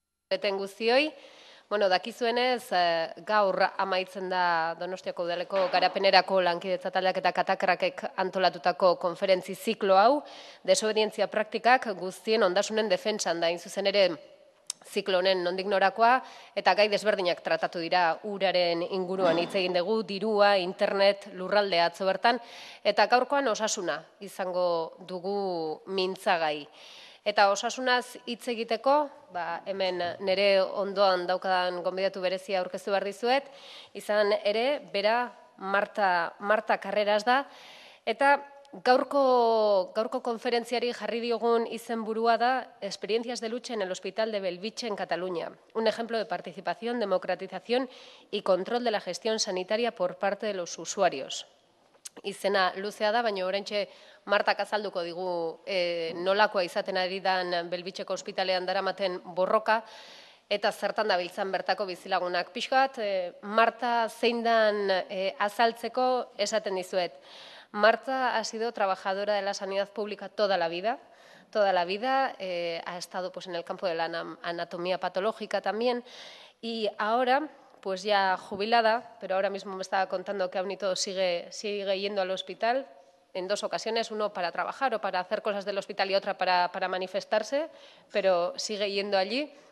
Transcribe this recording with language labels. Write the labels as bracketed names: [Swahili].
[Basque] Eten guztioi, bueno, dakizuenez, gaur amaitzen da Donostiako Udaleko Garapenerako Lankidetza Taldeak eta Katakrakek antolatutako konferentzi ziklo hau, desobedientzia praktikak guztien ondasunen defentsan da, inzuzen ere, ziklo honen nondik norakoa, eta gai desberdinak tratatu dira uraren inguruan hitz egin dugu, dirua, internet, lurraldea atzo bertan, eta gaurkoan osasuna izango dugu mintzagai. Eta osasunaz hitz egiteko, ba, hemen nire ondoan daukadan gonbidatu berezia aurkeztu behar dizuet, izan ere, bera Marta Carreras da. Eta gaurko konferentziari jarri diogun izenburua da [Spanish] Experiencias de lucha en el Hospital de Bellvitge en Cataluña, un ejemplo de participación, democratización y control de la gestión sanitaria por parte de los usuarios. [Basque] Izena luzea da, baina oraintxe Marta kazalduko digu nolakoa izaten ari dan Bellvitgeko ospitalean daramaten borroka eta zertan dabiltzan bertako bizilagunak. Pixkat, Marta zein dan azaltzeko esaten dizuet. [Spanish] Marta ha sido trabajadora de la sanidad pública toda la vida. Toda la vida ha estado pues, en el campo de la anatomía patológica también. Y ahora, pues ya jubilada, pero ahora mismo me estaba contando que aún y todo sigue yendo al hospital en dos ocasiones, uno para trabajar o para hacer cosas del hospital y otra para manifestarse, pero sigue yendo allí.